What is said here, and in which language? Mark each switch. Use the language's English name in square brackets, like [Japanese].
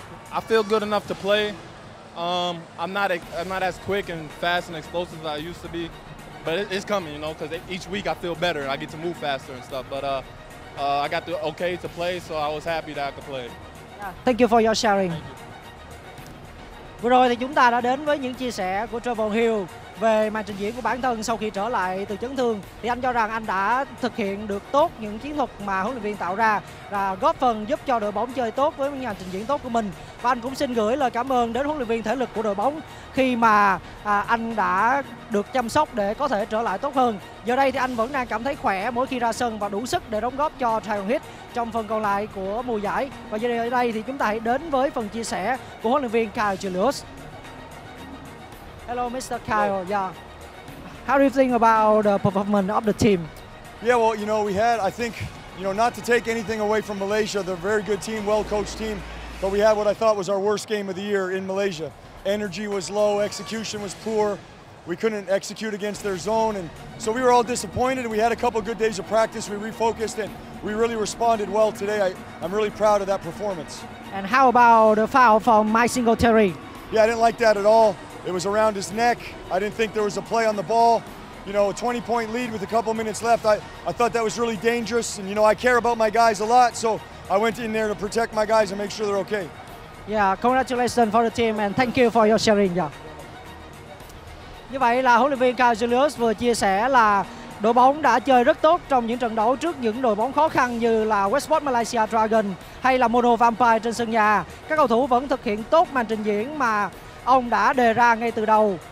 [English] I feel good enough to play. I'm not as quick and fast and explosive as I used to be, but it's coming, you know, because each week I feel better. I get to move faster and stuff, but I got the okay to play, so I was happy that I could play. Thank you for your sharing. [Vietnamese] Vừa rồi thì chúng ta đã đến với những chia sẻ của Trevor Hill về màn trình diễn của bản thân sau khi trở lại từ chấn thương. Thì anh cho rằng anh đã thực hiện được tốt những chiến thuật mà huấn luyện viên tạo ra và góp phần giúp cho đội bóng chơi tốt với màn trình diễn tốt của mình. Và anh cũng xin gửi lời cảm ơn đến huấn luyện viên thể lực của đội bóng khi mà anh đã được chăm sóc để có thể trở lại tốt hơn. Giờ đây thì anh vẫn đang cảm thấy khỏe mỗi khi ra sân và đủ sức để đóng góp cho Sài Gòn Heat trong phần còn lại của mùa giải. Và giờ đây thì chúng ta hãy đến với phần chia sẻ của huấn luyện viên Kyle Julius. [English] Hello, Mr. Kyle. Hello. Yeah. How do you think about the performance of the team? Yeah, well, you know, we had, I think, you know, not to take anything away from Malaysia. They're a very good team, well-coached team. But we had what I thought was our worst game of the year in Malaysia. Energy was low, execution was poor. We couldn't execute against their zone. And so we were all disappointed. We had a couple of good days of practice. We refocused and we really responded well today. I'm really proud of that performance. And how about the foul from Mike Singletary? Yeah, I didn't like that at all. It was around his neck. I didn't think there was a play on the ball. You know, a 20-point lead with a couple minutes left, I thought that was really dangerous. And, you know, I care about my guys a lot, so I went in there to protect my guys and make sure they're okay. Yeah, congratulations for the team, and thank you for your sharing. Yeah. [Vietnamese] Như vậy là huấn luyện viên Kyle Julius vừa chia sẻ là đội bóng đã chơi rất tốt trong những trận đấu trước những đội bóng khó khăn như là Westport Malaysia Dragon hay là Mono Vampire trên sân nhà. Các cầu thủ vẫn thực hiện tốt màn trình diễn mà ông đã đề ra ngay từ đầu.